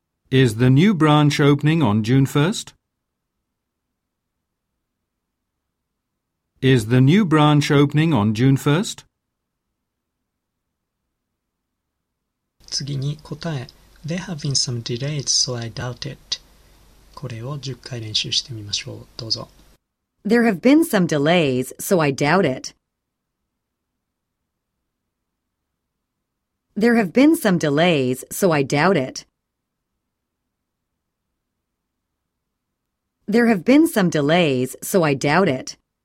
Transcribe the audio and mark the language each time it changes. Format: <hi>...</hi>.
<en>Is the new branch opening on June 1st? Is the new branch opening on June 1st?</en> <ja>次に答え。</ja> <en>There have been some delays, so I doubt it.</en> <ja>これを10回練習してみましょう。どうぞ。</ja> <en>There have been some delays, so I doubt it. There have been some delays, so I doubt it. There have been some delays, so I doubt it.</en>